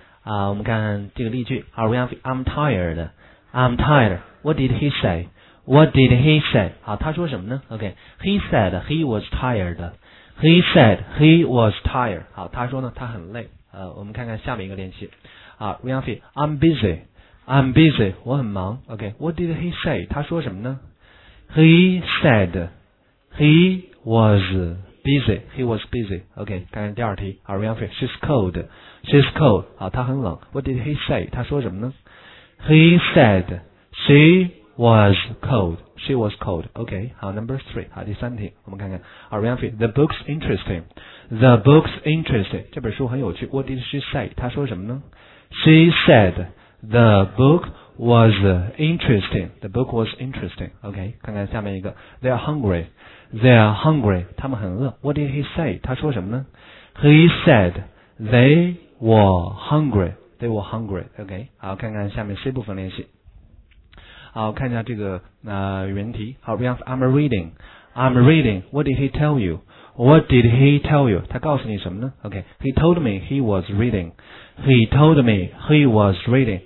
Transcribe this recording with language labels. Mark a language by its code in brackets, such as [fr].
[zh] 啊，我们看这个例句。 [en] I'm tired. I'm tired. What did he say? What did he say? [zh] 好，他说什么呢 ？OK. [en] He said he was tired. He said he was tired. [zh] 好，他说呢，他很累。我们看看下面一个练习。啊 ，Wianfei, [en] I'm busy, I'm busy, [zh] 我很忙。 [en] OK, what did he say? [zh] 他说什么呢 [en] ？He said he was busy, he was busy. OK, [zh] 看看第二题。 [en] 啊 ，Wianfei, she's cold, she's cold. [zh] 好，她很冷。 [en] What did he say? [zh] 他说什么呢 [en] ？He said she was cold, she was cold. [zh] OK, 好 ， [en] Number three, [zh] 好，第三题，我们看看。 [en] 啊 ，Wianfei, the book's interesting. The book's interesting. [zh] 这本书很有趣。 [en] What did she say? [zh] 她说什么呢 [en] ？She said the book was interesting. The book was interesting. OK, [zh] 看看下面一个。 [en] They are hungry. They are hungry. [zh] 他们很饿。 [en] What did he say? [zh] 她说什么呢 [en] ？He said they were hungry. They were hungry. [zh] OK, 好，看看下面 C 部分练习。好，看一下这个原题。好 ， [en] I'm reading. I'm reading. What did he tell you? What did he tell you? [zh] 他告诉你什么呢? [en] Okay. He told me he was reading. He told me he was reading.